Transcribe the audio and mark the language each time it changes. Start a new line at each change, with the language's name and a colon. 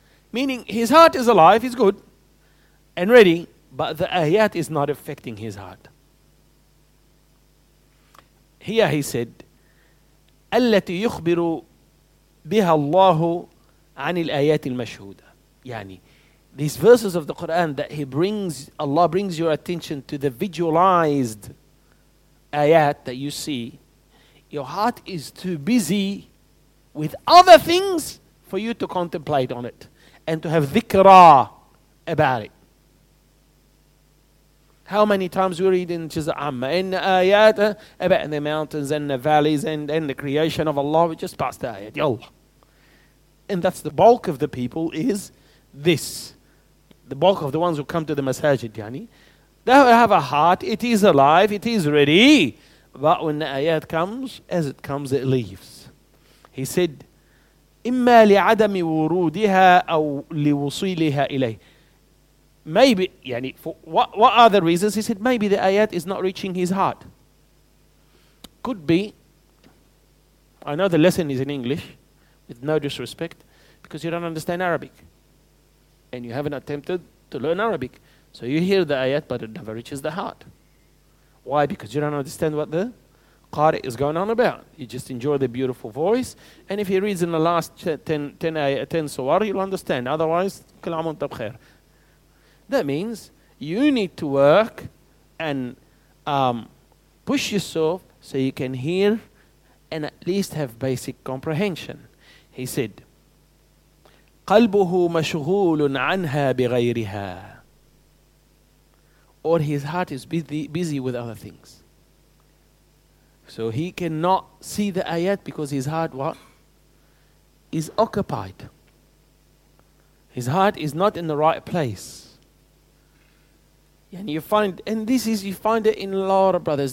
English: Meaning his heart is alive, he's good and ready, but the ayat is not affecting his heart. Here he said,
Arabic: التي يخبر بها الله عن الآيات المشهودة.
English: يعني, these verses of the Quran that he brings, Allah brings your attention to the visualized ayat that you see, your heart is too busy with other things for you to contemplate on it and to have dhikra about it. How many times we read in Juz' Amma, in ayat about the mountains and the valleys and the creation of Allah, we just pass the ayat, yallah. And that's the bulk of the people is this. The bulk of the ones who come to the masajid, yani. They have a heart, it is alive, it is ready. But when the ayat comes, as it comes, it leaves. He said,
Arabic: إِمَّا لِعَدَمِ وُرُودِهَا أَوْ لِوُصِيلِهَا إِلَيْهِ.
English: Maybe, yani, for what are the reasons? He said, maybe the ayat is not reaching his heart. Could be, I know the lesson is in English, with no disrespect, because you don't understand Arabic. And you haven't attempted to learn Arabic. So you hear the ayat, but it never reaches the heart. Why? Because you don't understand what the qari is going on about. You just enjoy the beautiful voice. And if he reads in the last 10 surah, you'll understand. Otherwise, kalam on tab khair. That means you need to work and push yourself so you can hear and at least have basic comprehension. He said,
Arabic: قلبه مشغول عنها بغيرها.
English: Or his heart is busy with other things. So he cannot see the ayat because his heart, what? Is occupied. His heart is not in the right place. And you find, and this is, you find it in a lot of brothers.